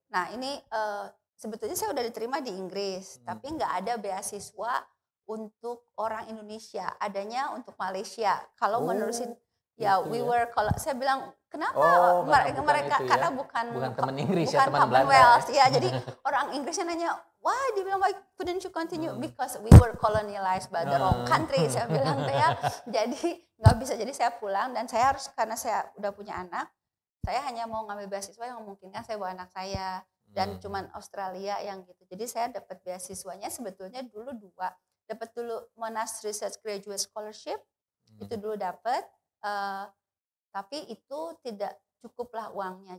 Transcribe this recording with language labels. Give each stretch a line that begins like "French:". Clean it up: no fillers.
Indonesian: Nah ini sebetulnya saya udah diterima di Inggris, tapi nggak ada beasiswa untuk orang Indonesia, adanya untuk Malaysia. Kalau menurusin ya we ya. Were kalau saya bilang kenapa mereka ya? Karena bukan teman Inggris ya, bukan teman Belanda. Ya, jadi orang Inggrisnya nanya,
English: "Why?"
Indonesian: Dia bilang,
English: "Why couldn't you continue?" Because we were colonized by the wrong country.
Indonesian: Saya bilang ya. Jadi enggak bisa. Jadi saya pulang dan saya harus, karena saya udah punya anak, saya hanya mau ngambil beasiswa yang memungkinkan saya bawa anak saya dan cuman Australia yang gitu. Jadi saya dapat beasiswanya sebetulnya dulu 2. Dapat dulu Monash Research Graduate Scholarship, itu dulu dapat, tapi itu tidak cukuplah uangnya.